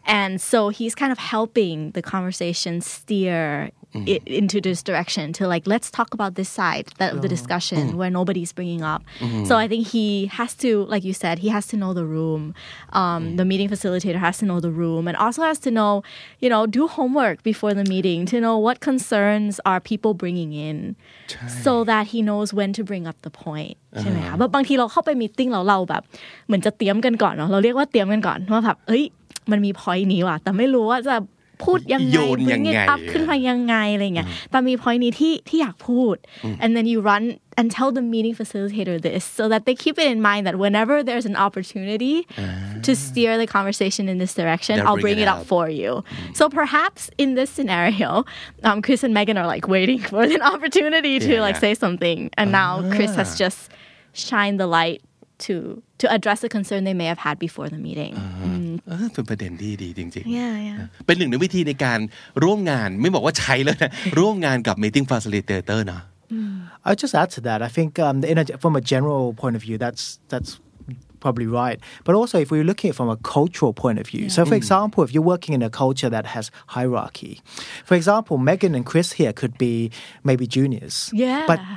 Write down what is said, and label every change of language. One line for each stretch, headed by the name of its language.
English: And so he's kind of helping the conversation steer it into this direction to like let's talk about this side that the discussion where nobody's bringing up. So I think he has to, like you said, he has to know the room. The meeting facilitator has to know the room and also has to know, you know, do homework before the meeting to know what concerns are people bringing in, so that he knows when to bring up the point.
Thai: ใช่ไหมคะ
English: but
Thai: บางทีเราเข้าไป meeting เราแบบเหมือนจะเตรียมกันก่อนเนาะเราเรียกว่าเตรียมกันก่อนว่าแบบเอ้ย มันมีพอยต์นี้ว่ะแต่ไม่รู้ว่าจะพูดยังไง ยังไง อัพขึ้นมายังไงอะไรเงี้ยแต่มีพอยต์นี้ที่อยากพูด
English: and then you run and tell the meeting facilitator this so that they keep it in mind that whenever there's an opportunity to steer the conversation in this direction I'll bring it up for you so perhaps in this scenario Chris and Megan are like waiting for an opportunity to like say something and now Chris has just shined the light to address the concern they may have had before the meeting
Thai: เป็นประเด็นที่ดีจริงๆ
English: yeah yeah
Thai: เป็นหนึ่งในวิธีในการร่วมงานไม่บอกว่าใช้แล้วนะร่วมงานกับ meeting facilitator นะ
English: I just add to that I think from a general point of view that's probably right but also if we're looking at it from a cultural point of view so for example if you're working in a culture that has hierarchy for example Megan and Chris here could be maybe juniors yeah